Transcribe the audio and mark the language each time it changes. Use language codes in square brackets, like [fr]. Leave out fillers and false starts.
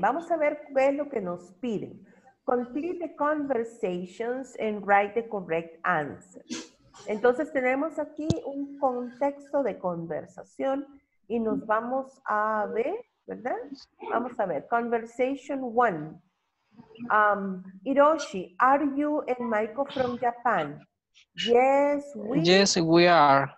[es] Vamos a ver qué es lo que nos piden. [en] Complete the conversations and write the correct answers. [es] Entonces, tenemos aquí un contexto de conversación y nos vamos a ver, ¿verdad? Vamos a ver. [en] Conversation 1. Hiroshi, are you and Michael from Japan? Yes, we are.